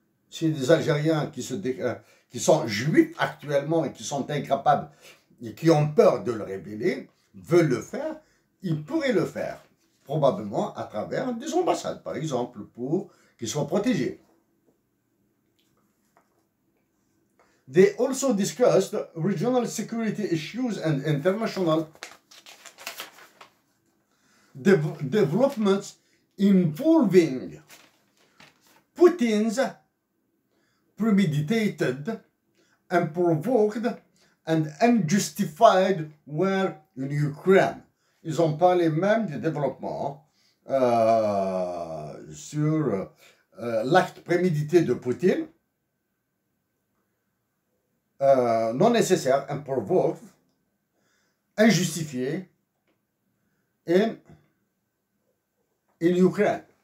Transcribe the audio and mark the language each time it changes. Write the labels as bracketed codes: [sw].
[fr] Si des Algériens qui sont juifs actuellement et qui sont incapables et qui ont peur de le révéler veulent le faire, ils pourraient le faire, probablement à travers des ambassades, par exemple, pour qu'ils soient protégés. [en] They also discussed regional security issues and international developments involving Putin's premeditated and provoked and unjustified war in Ukraine. [fr] Ils ont parlé même du développement sur l'acte prémédité de Poutine, non nécessaire, improvoque, injustifié, et [en] in Ukraine.